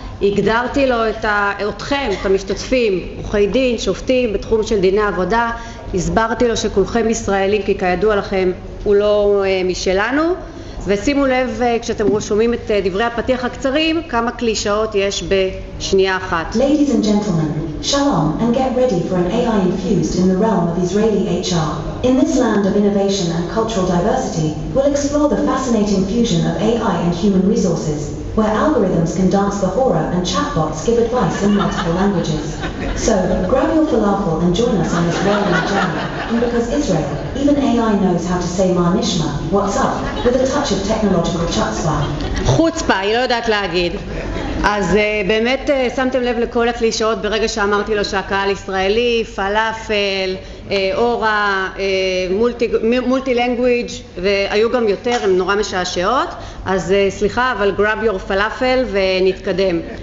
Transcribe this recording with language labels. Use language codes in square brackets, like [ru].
[he] הגדרתי לו את אתכם, את המשתתפים, עורכי דין, שופטים בתחום של דיני עבודה. הסברתי לו שכולכם ישראלים, כי כידוע לכם הוא לא משלנו. ושימו לב, כשאתם רושמים את דברי הפתיח הקצרים, כמה קלישאות יש בשנייה אחת. [en] Ladies and gentlemen, shalom and get ready for an AI infused in the realm of Israeli HR. In this land of innovation and cultural diversity, we'll explore the fascinating fusion of AI and human resources, where algorithms can dance the hora and chatbots give advice in multiple languages. So, grab your falafel and join us on this whirlwind journey. And because Israel, even AI knows how to say Mar Nishma, what's up, with a touch of technological chutzpah. Chutzpah, you don't know what to say. [he] אז באמת שמתם לב לכל הקלישאות ברגע שאמרתי לו שהקהל ישראלי, פלאפל, אורה, [en] מולטי לנגוויג' [he] והיו גם יותר, הן נורא משעשעות. אז סליחה, אבל [en] גראב יור פלאפל [he] ונתקדם.